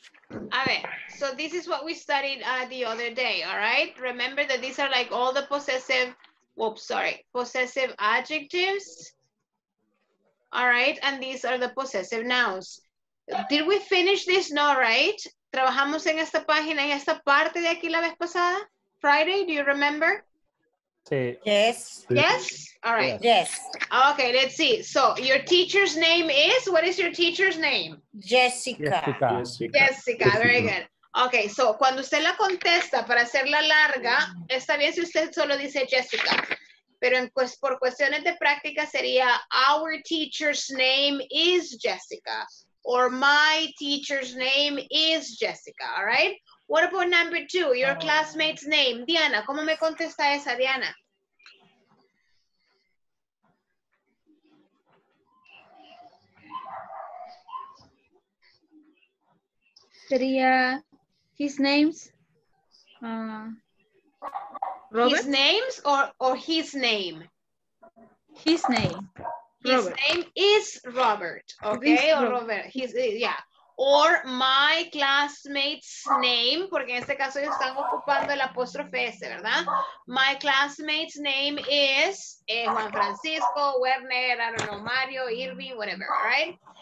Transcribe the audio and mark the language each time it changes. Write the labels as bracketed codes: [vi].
[en] A ver, so this is what we studied the other day, all right? Remember that these are like all the possessive, whoops, sorry, possessive adjectives. All right, and these are the possessive nouns. Did we finish this? No, right? [es] ¿Trabajamos en esta página y esta parte de aquí la vez pasada? [en] Friday, do you remember? [es] Sí. [en] Yes. Yes? All right. Yes. Okay, let's see. So your teacher's name is, what is your teacher's name? Jessica. Very good. [es] Okay, so cuando usted la contesta para hacerla larga, está bien si usted solo dice Jessica. Pero en, pues, por cuestiones de práctica sería, [en] our teacher's name is Jessica. Or my teacher's name is Jessica, all right? What about number two, your classmate's name? Diana, [es] ¿cómo me contesta esa, [en] Diana? Sería, his name's, Robert? His name's or his name? His name. His Robert. Name is Robert, okay, or Robert, he's, yeah. Or my classmate's name, [es] porque en este caso ellos están ocupando el apóstrofe S, ¿verdad? [en] My classmate's name is Juan Francisco, Werner, I don't know, Mario, Irving, whatever, right?